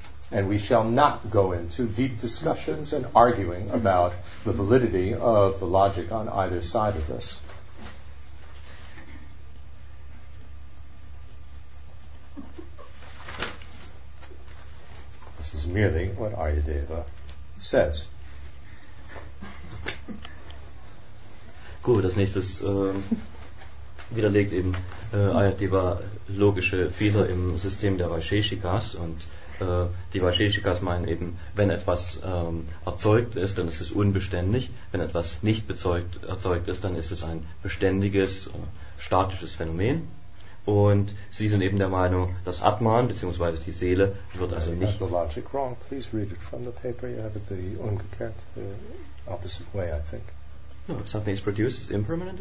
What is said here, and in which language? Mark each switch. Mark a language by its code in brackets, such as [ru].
[en] And we shall not go into deep discussions and arguing about the validity of the logic on either side of this. This is merely what Aryadeva says. [de] Gut, als nächstes widerlegt eben Aryadeva logische Fehler im System der Vaisheshikas, und die Vaisheshikas meinen eben, wenn etwas erzeugt ist, dann ist es unbeständig, wenn etwas nicht erzeugt ist, dann ist es ein beständiges, statisches Phänomen, und sie sind eben der Meinung, dass Atman bzw. die Seele wird also nicht... [en] The logic wrong. Please read it from the paper. You have it the umgekehrt, the opposite way, I think. No, if something is produced, it's impermanent.